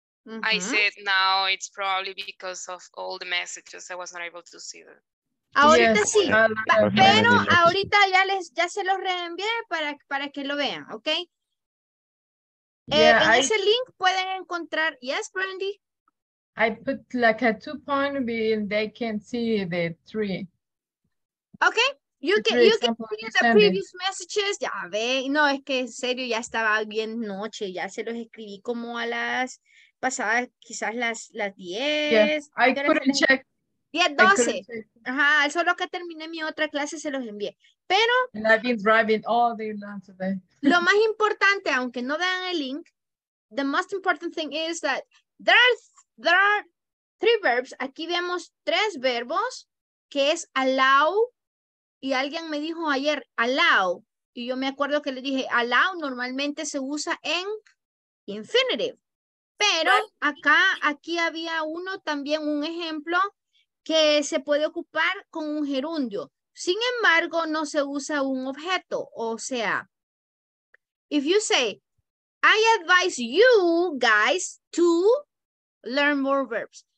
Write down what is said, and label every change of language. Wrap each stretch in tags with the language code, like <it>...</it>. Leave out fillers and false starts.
<en>I said now it's probably because of all the messages. I was not able to see them.</en> <es>Ahorita sí, pero ahorita ya se los reenvié para que lo vean, ¿ok? Ese link pueden encontrar, yes, Brandy.</es> <en>I put like a 2-point and they can see the 3. Okay, you can see the previous messages.</en> <es>Ya ve, no, es que en serio ya estaba bien noche, ya se los escribí como a las pasadas, quizás las 10.</es> <en>Yeah, I couldn't check.</en> <es>10, 12. Ajá, solo que terminé mi otra clase, se los envié. Pero.</es> <en>And I've been driving all day long today.</en> <es>Lo más importante, aunque no vean el link,</es> <en>the most important thing is that there are three verbs.</en> <es>Aquí vemos tres verbos, que es allow. Y alguien me dijo ayer, allow. Y yo me acuerdo que le dije, allow normalmente se usa en infinitive. Pero acá, aquí había uno también, un ejemplo, que se puede ocupar con un gerundio. Sin embargo, no se usa un objeto.</es> <en>O sea, if you say, I advise you guys to learn more verbs.</en>